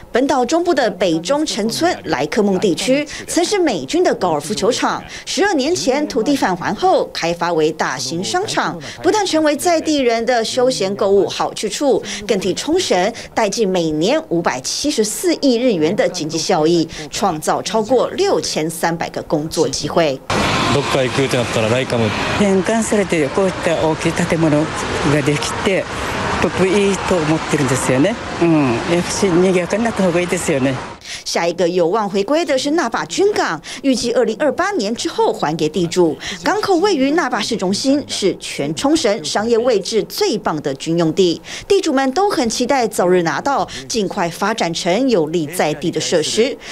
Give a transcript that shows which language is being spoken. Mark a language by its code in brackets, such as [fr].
[zh] 本岛中部的北中城村莱克梦地区曾是美军的高尔夫球场，12年前土地返还后开发为大型商场，不但成为在地人的休闲购物好去处，更替冲绳带进每年574亿日元的经济效益，创造超过6300个工作机会。 [ja] どっか行くってなったらライカム。転換されてこういった大きい建物ができて、っといいと思ってるんですよね。やっぱし賑やかになった方がいいですよね。 [zh] 下一个有望回归的是那霸军港，预计2028年之后还给地主。港口位于那霸市中心，是全冲绳商业位置最棒的军用地。地主们都很期待早日拿到，尽快发展成有利在地的设施。